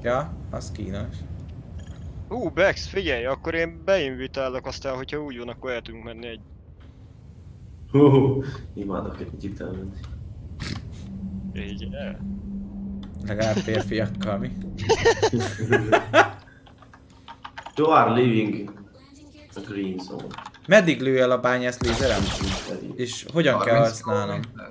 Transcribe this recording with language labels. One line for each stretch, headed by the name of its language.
Hungarian: Ja, az kínos. Hú, Bex, figyelj, akkor én beinvitálok aztán, hogyha úgy van, akkor el tudunk menni egy... Imádok egy kicsit elmenni. Igen. Legalább férfiakkal, mi?
English: You are living a green zone.
Hungarian: Meddig lő el a bányász lézerem? És hogyan kell használnom?